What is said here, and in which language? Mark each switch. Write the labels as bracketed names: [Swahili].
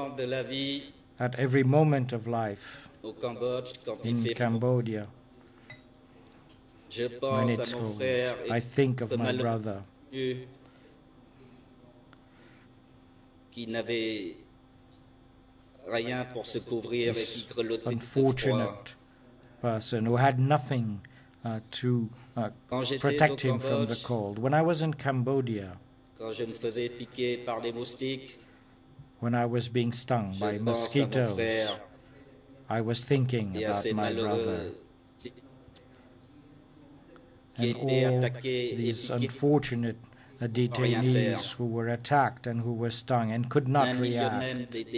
[English] At every moment of life in Cambodia, when it's cold, I think of my brother, [French] qui n'avait rien pour se couvrir et qui grelottait de froid. [English] Person who had nothing to protect him from the cold. When I was in Cambodia, [French] quand je me faisais piquer par les moustiques, [English] when I was being stung by mosquitoes, I was thinking about my brother. And all these unfortunate detainees who were attacked and who were stung and could not react.